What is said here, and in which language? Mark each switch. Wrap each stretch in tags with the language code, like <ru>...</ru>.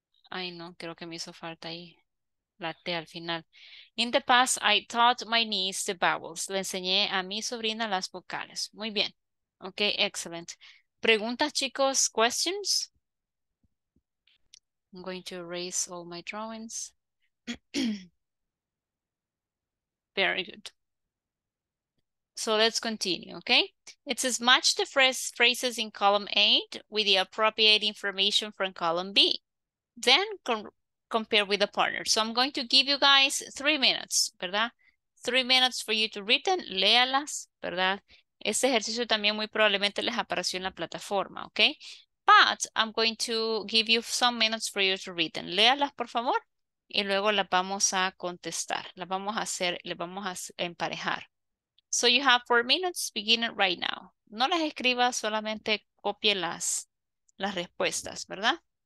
<es>Ay, no, creo que me hizo falta ahí. La T al final.</es> <en>In the past, I taught my niece the vowels.</en> <es>Le enseñé a mi sobrina las vocales. Muy bien.</es> <en>Ok, excellent.</en> <es>¿Preguntas, chicos? ¿Questions?</es> <en>I'm going to erase all my drawings. Very good. So let's continue, okay? It's as much the phrases in column A with the appropriate information from column B. Then compare with the partner. So I'm going to give you guys 3 minutes, ¿verdad? 3 minutes for you to read them, léalas, ¿verdad?</en> <es>Este ejercicio también muy probablemente les apareció en la plataforma, okay?</es> <en>But I'm going to give you some minutes for you to read them.</en> <es>Léalas, por favor, y luego las vamos a contestar. Las vamos a hacer, les vamos a emparejar.</es> <en>So you have 4 minutes, begin it right now.</en> <es>No las escriba, solamente copie las respuestas, ¿verdad?</es>